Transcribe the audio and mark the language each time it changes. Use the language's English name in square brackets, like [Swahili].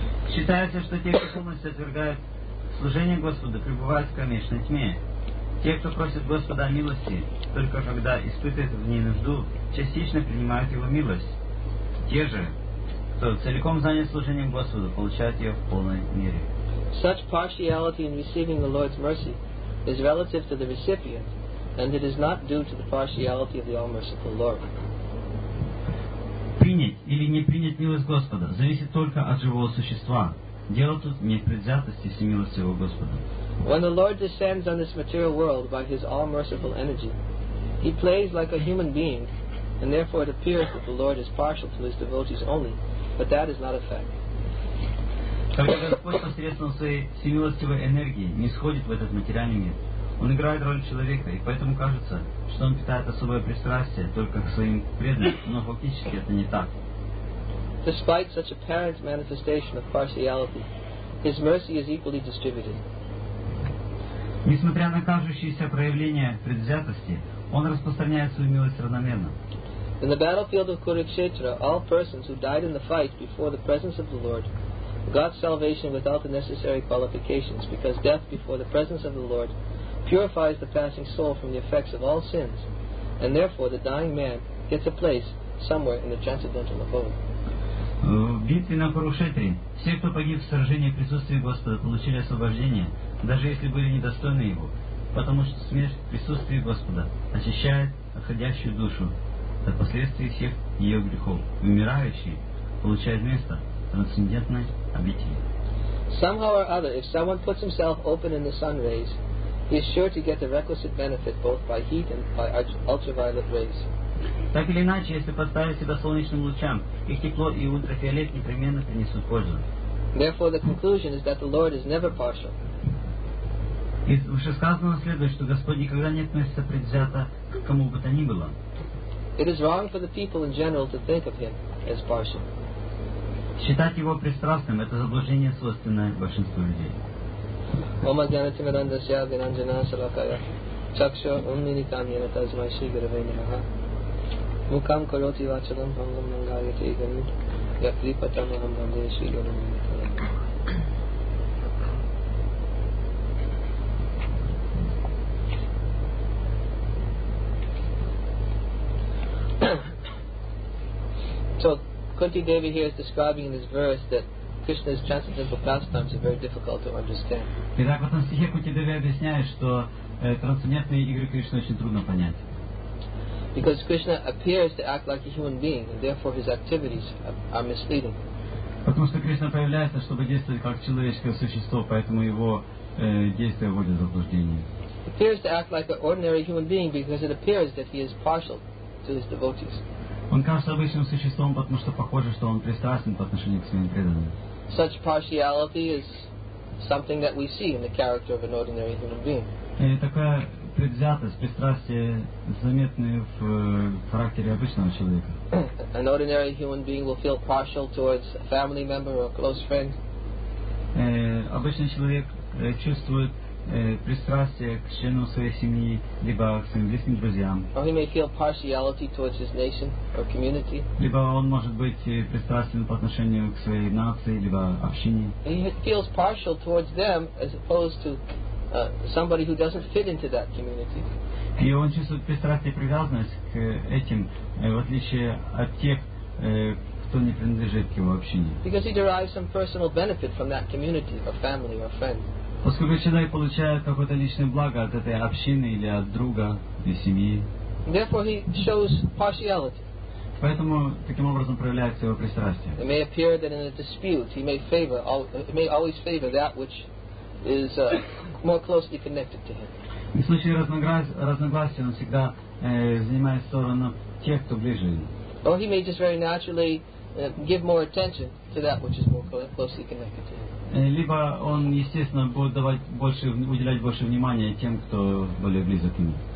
[Russian] Считается, что те, кто полностью отвергают служение Господу, пребывают в кромешной тьме. Те, кто просит Господа о милости, только когда испытывает в ней нужду, частично принимают Его милость. Те же, кто целиком занят служением Господу, получают ее в полной мере. [English] Such partiality in receiving the Lord's mercy is relative to the recipient, and it is not due to the partiality of the all-merciful Lord. [Russian] Принять или не принять милость Господа зависит только от живого существа. Дело тут не в предвзятости всемилостивого Господа. [English] When the Lord descends on this material world by His all-merciful energy, He plays like a human being, and therefore it appears that the Lord is partial to His devotees only, but that is not a fact. [Russian] Когда Господь посредством своей всемилостивой энергии нисходит в этот материальный мир, Он играет роль человека, и поэтому кажется, что Он питает особое пристрастие только к своим преданным, но фактически это не так. [English] Despite such apparent manifestation of partiality, His mercy is equally distributed. [Russian] Несмотря на кажущееся проявление предвзятости, Он распространяет свою милость равномерно. [English] In the battlefield of Kurukshetra, all persons who died in the fight before the presence of the Lord got salvation without the necessary qualifications, because death before the presence of the Lord purifies the passing soul from the effects of all sins, and therefore the dying man gets a place somewhere in the transcendental abode. [Russian] В битве на Курукшетре все, кто погиб в сражении в присутствии Господа, получили освобождение, даже если были недостойны Его, потому что смерть в присутствии Господа очищает отходящую душу от последствий всех ее грехов. Умирающий получает место в трансцендентной обители. [English] Somehow or other, if someone puts himself open in the sun rays, he is sure to get the requisite benefit both by heat and by ultraviolet rays. [Russian] Так или иначе, если подставить себя солнечным лучам, их тепло и ультрафиолет непременно принесут пользу. [English] Therefore, the conclusion is that the Lord is never partial. [Russian] Из вышесказанного следует, что Господь никогда не относится предвзято к кому бы то ни было. [English] It is wrong for the people in general to think of Him as partial. [Russian] Считать Его пристрастным — это заблуждение, свойственное большинству людей. [Sanskrit] Ома Джанати Мирандасья Гиранджана Салакая Чакшо Уммини Камьяна Тазмай Шри Гаравейни Маха Мукам Короти Вачалам Пангам Нангайя Тейгани Якри Патам Ахам Бандея Шри Гаравейни Маха. [English] So, Kunti Devi here is describing in this verse that Krishna's transcendental pastimes are very difficult to understand. [Russian] Итак, в этом стихе Кунти Деви объясняет, что трансцендентные игры Кришны очень трудно понять. [English] Because Krishna appears to act like a human being, and therefore his activities are misleading. [Russian] Потому что Кришна появляется, чтобы действовать как человеческое существо, поэтому его действия вводят в заблуждение. [English] He appears to act like an ordinary human being because it appears that he is partial to his devotees. [Russian] Он кажется обычным существом, потому что похоже, что он пристрастен по отношению к своим преданным. [English] Such partiality is something that we see in the character of an ordinary human being. [Russian] И такая предвзятость, пристрастие заметны в характере обычного человека. [English] An ordinary human being will feel partial towards a family member or a close friend. [Russian] Обычный человек чувствует пристрастие к члену своей семьи либо к своим близким друзьям. [English] Or he may feel partiality towards his nation or community. [Russian] Либо он может быть пристрастен по отношению к своей нации либо общине. [English] He feels partial towards them as opposed to somebody who doesn't fit into that community. [Russian] И он чувствует пристрастие и привязанность к этим в отличие от тех, кто не принадлежит к его общине. [English] Because he derives some personal benefit from that community or family or friend. [Russian] Поскольку человек получает какое-то личное благо от этой общины или от друга, или семьи. [English] Therefore he shows partiality. [Russian] Поэтому таким образом проявляется его пристрастие. [English] It may appear that in a dispute he may always favor that which is more closely connected to him. [Russian] В случае разногласий он всегда занимает сторону тех, кто ближе ему. [English] Or he may just very naturally give more attention to that which is more closely connected to him. [Russian] Либо он, естественно, будет уделять больше внимания тем, кто более близок к нему.